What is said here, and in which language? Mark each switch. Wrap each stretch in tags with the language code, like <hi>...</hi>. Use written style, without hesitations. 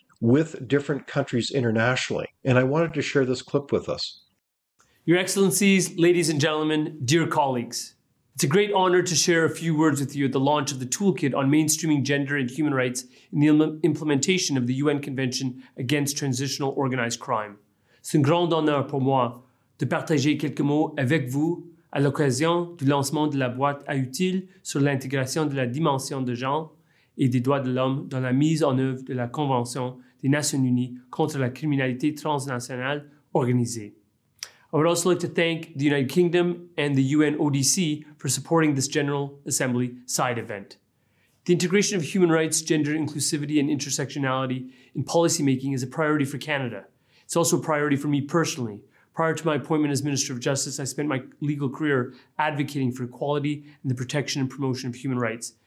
<en>with different countries internationally. And I wanted to share this clip with us. Your Excellencies, ladies and gentlemen, dear colleagues, it's a great honor to share a few words with you at the launch of the Toolkit on Mainstreaming Gender and Human Rights in the Implementation of the UN Convention Against Transnational Organized Crime.</en> <fr>C'est un grand honneur pour moi de partager quelques mots avec vous à l'occasion du lancement de la boîte à outils sur l'intégration de la dimension de genre et des droits de l'homme dans la mise en œuvre de la Convention des Nations Unies contre la criminalité transnationale organisée.</fr> <en>I would also like to thank the United Kingdom and the UNODC for supporting this General Assembly side event. The integration of human rights, gender inclusivity, and intersectionality in policymaking is a priority for Canada. It's also a priority for me personally. Prior to my appointment as Minister of Justice, I spent my legal career advocating for equality and the protection and promotion of human rights.</en>